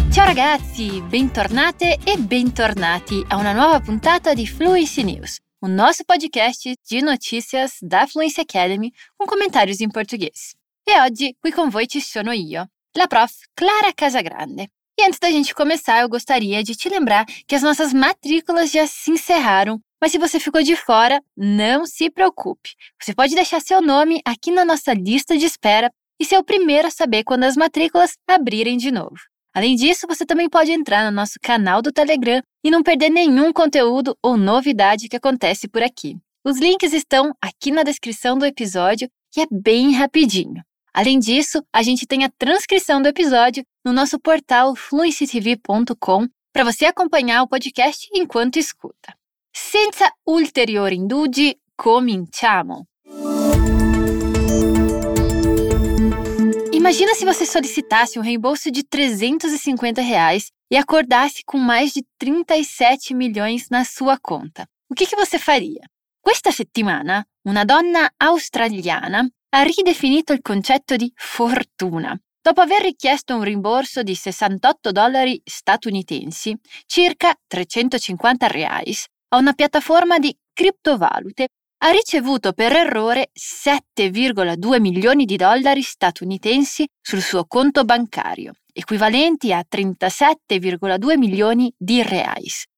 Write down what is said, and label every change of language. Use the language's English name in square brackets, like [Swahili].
[Italian] ragazzi, bentornate e bentornati a una nuova puntata di Fluency News, [Portuguese] un nosso podcast de notícias da Fluency Academy com comentários em português. [Italian] E oggi qui con voi ci sono io, la prof Clara Casagrande. [Portuguese] E antes da gente começar, eu gostaria de te lembrar que as nossas matrículas já se encerraram, mas se você ficou de fora, não se preocupe. Você pode deixar seu nome aqui na nossa lista de espera e ser o primeiro a saber quando as matrículas abrirem de novo. Além disso, você também pode entrar no nosso canal do Telegram e não perder nenhum conteúdo ou novidade que acontece por aqui. Os links estão aqui na descrição do episódio e é bem rapidinho. Além disso, a gente tem a transcrição do episódio no nosso portal fluencytv.com para você acompanhar o podcast enquanto escuta. [Italian] Senza ulteriori indugi, cominciamo! [Portuguese] Imagina se você solicitasse um reembolso de R$350 e acordasse com mais de 37 milhões na sua conta. O que você faria? [Italian] Questa settimana, una donna australiana ha ridefinito il concetto di fortuna. Dopo aver richiesto un rimborso di $68 statunitensi, circa R$350, a una piattaforma di criptovalute, ha ricevuto per errore 7,2 milioni di dollari statunitensi sul suo conto bancario, equivalenti a 37,2 milioni di reais.